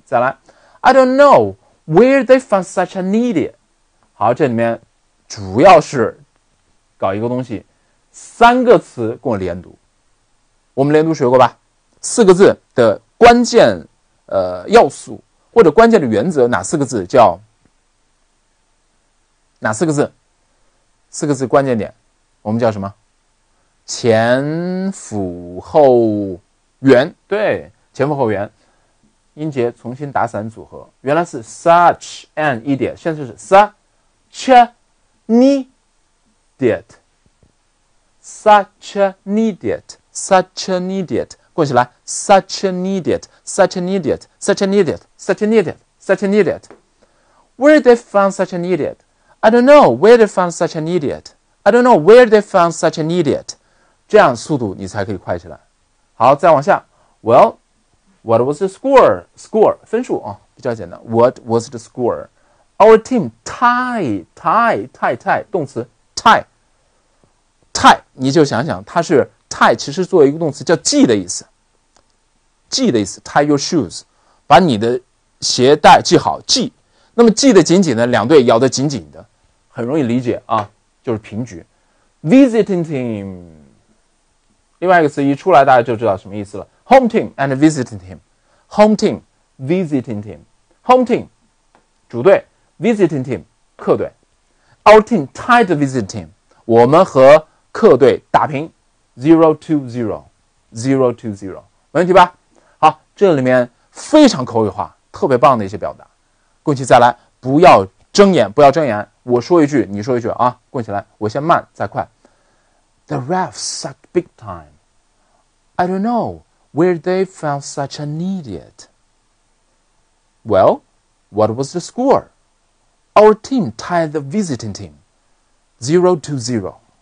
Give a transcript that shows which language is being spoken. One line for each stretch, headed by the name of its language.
Chinese: 再来
English: ，I don't know where they found such an idiot.
Chinese: 好，这里面主要是搞一个东西，三个词跟我连读。我们连读学过吧，四个字的关键要素或者关键的原则，哪四个字叫哪四个字？四个字关键点我们叫什么？前辅后圆。
English: 对，
Chinese: 前辅后圆，音节重新打散组合，
English: 原来是 such an idiot， 现在是 such an idiot， such an idiotSuch an idiot， 过起来 ，such an idiot， such an idiot， such an idiot， such an idiot， such an idiot。 Where they found such an idiot？ I don't know where they found such an idiot。 I don't know where they found such an idiot。
Chinese: 这样速度你才可以快起来。好，再往下。
English: Well， what was the score？ Score
Chinese: 分数啊，比较简单。
English: What was the score？ Our team tie
Chinese: 动词 tie， 你就想想它是 tie， 其实作为一个动词叫系的意思，系的意思
English: tie your shoes，
Chinese: 把你的鞋带系好，系。那么系得紧紧的，两队咬得紧紧的，很容易理解啊，就是平局。 Visiting team， 另外一个词一出来，大家就知道什么意思了。
English: Home team and visiting team， home team， visiting team， home team， 主队。 Visiting team， 客队。Our team tied the visiting team，
Chinese: 我们和客队打平
English: 0-0 0-0， 没问题吧？
Chinese: 好，这里面非常口语化，特别棒的一些表达。恭喜再来，不要睁眼，不要睁眼，我说一句你说一句啊。恭喜来，我先慢再快。
English: The refs suck big time， I don't know where they found such an idiot。 Well， what was the scoreOur team tied the visiting team 0-0。